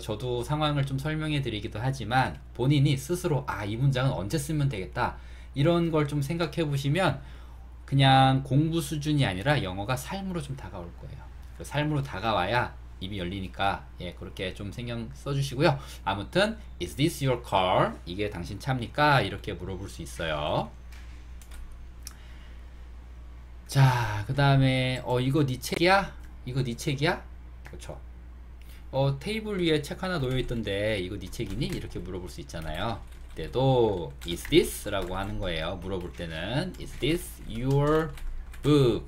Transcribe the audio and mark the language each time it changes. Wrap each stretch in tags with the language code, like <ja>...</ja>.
<ko>저도 상황을 좀 설명해 드리기도 하지만 본인이 스스로 아, 이 문장은 언제 쓰면 되겠다. 이런 걸좀 생각해 보시면 그냥 공부 수준이 아니라 영어가 삶으로 좀 다가올 거예요. 삶으로 다가와야 입이 열리니까 예, 그렇게 좀 신경 써 주시고요.</ko> <en>아무튼 Is this your car?</en> <ko>이게 당신 차입니까? 이렇게 물어볼 수 있어요. 자, 그 다음에 이거 네 책이야? 이거 네 책이야? 그렇죠. 테이블 위에 책 하나 놓여 있던데 이거 네 책이니? 이렇게 물어볼 수 있잖아요. 그때도</ko> <en>Is this?</en> <ko>라고 하는 거예요. 물어볼 때는</ko> <en>Is this your book?</en>